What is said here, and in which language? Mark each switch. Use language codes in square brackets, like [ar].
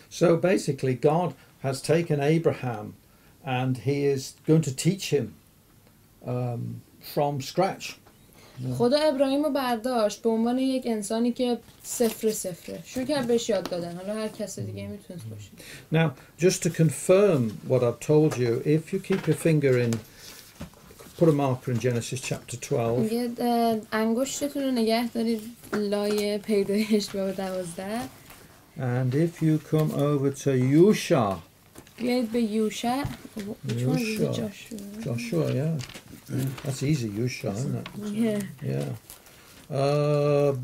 [en] So basically God has taken Abraham and he is going to teach him from scratch. [fa] خدا ابراهیم رو برداشت به عنوان یک انسانی که صفر صفر شروع کرد بهش یاد دادن، حالا هر کس دیگه میتونه باشه. [en] Now just to confirm what I've told you, if you keep your finger in, put a marker in Genesis chapter 12. [fa] انگشتتون رو نگه دارید لای پیدایش باب 12. [en] And if you come over to Yusha. [fa] بیایید به یوشع. [en] Joshua. Joshua, yeah. That's easy, Yusha, isn't it? Yeah.